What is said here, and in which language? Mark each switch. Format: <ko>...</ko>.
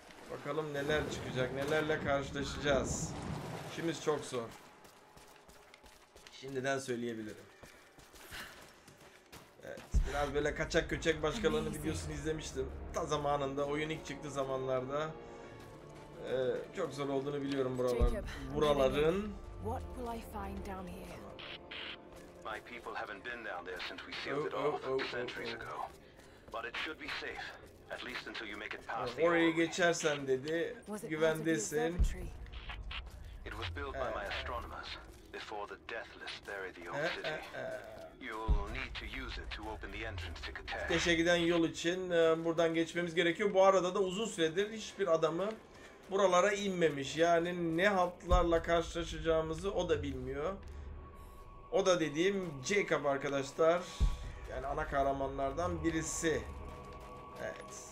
<tr>Bakalım neler çıkacak, nelerle karşılaşacağız. İşimiz çok zor. Şimdiden söyleyebilirim. Evet, biraz böyle kaçak köçek başkalarının videosunu izlemiştim. Ta zamanında, oyun ilk çıktığı zamanlarda. Çok zor olduğunu biliyorum buraların.</tr> <en>What will I find down here? My people haven't been down there since we sealed it off centuries ago. But it should be safe, at least until you make it past the orbit.</en> <tr>Orayı geçersen dedi, güvendesin.</tr> <en>It was built by my astronomers before the Deathless buried the old city. You'll need to use it to open the entrance to Kater.</en> <tr>Ateşe giden yol için buradan geçmemiz gerekiyor. Bu arada da uzun süredir hiçbir adamı buralara inmemiş. Yani ne haltlarla karşılaşacağımızı o da bilmiyor. O da dediğim Jacob arkadaşlar. Yani ana kahramanlardan birisi. Evet.</tr>